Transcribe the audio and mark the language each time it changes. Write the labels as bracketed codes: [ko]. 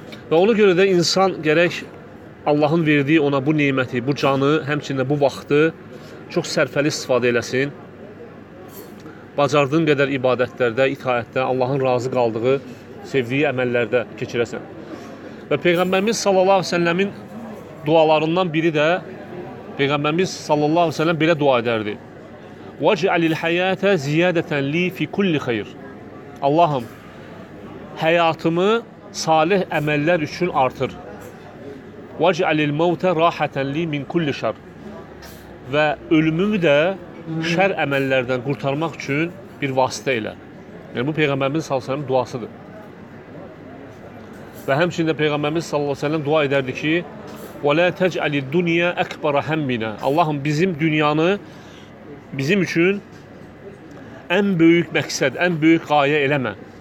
[az] Və ona görə də insan gərək Allahın verdiyi ona bu neyməti, bu canı, həmçinin də bu vaxtı çox sərfəli istifadə eləsin. Bacardığın qədər ibadətlərdə, itaətdə, Allahın razı qaldığı, sevdiyi əməllərdə keçirəsən. Və Peyğəmbərimiz sallallahu əleyhi və səlləmin dualarından biri də, Peyğəmbərimiz sallallahu əleyhi və səlləm belə dua edərdi. [ar] وَجْعَلِ الْحَيَاةَ زِيَادَةً لِي فِي كُلِّ خَيْرِ [az] Allahım, həyatımı salih əməllər üçün artır. [ar] وَجْعَلِ الْمَوْتَ رَاحَةً لِي مِنْ كُلِّ شَرْ [az] Və ölümümü də şər əməllərdən qurtarmaq üçün bir vasitə ilə. Yəni, bu Peyğəmbərimiz sallallahu əleyhi və səlləm duasıdır. Və həmçində Peyğəmbərimiz sallallahu əleyhi və səlləm dua edərdi ki, [ar] وَلَا تَجْعَلِ الدُّنْيَا أَكْبَرَ هَمِّنَا [az] Allahım, bizim dünyanı bizim üçün ən böyük məqsəd, ən böyük qayə eləmə.